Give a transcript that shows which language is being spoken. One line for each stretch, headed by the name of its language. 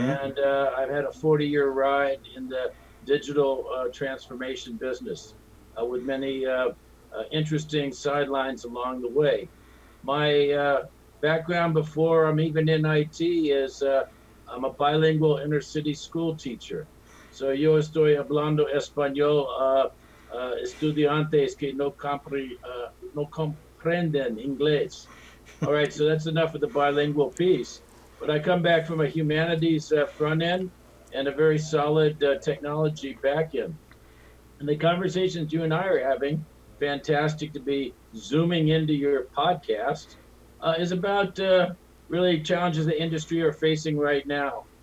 English: And I've had a 40-year ride in the digital transformation business with many interesting sidelines along the way. My background before I'm even in IT is I'm a bilingual inner city school teacher.
Spanish: So yo estoy hablando español, estudiantes que no comprenden inglés.
English: All right, so that's enough of the bilingual piece. But I come back from a humanities front end and a very solid technology back end. And the conversations you and I are having, fantastic to be zooming into your podcast, is about really challenges the industry are facing right now.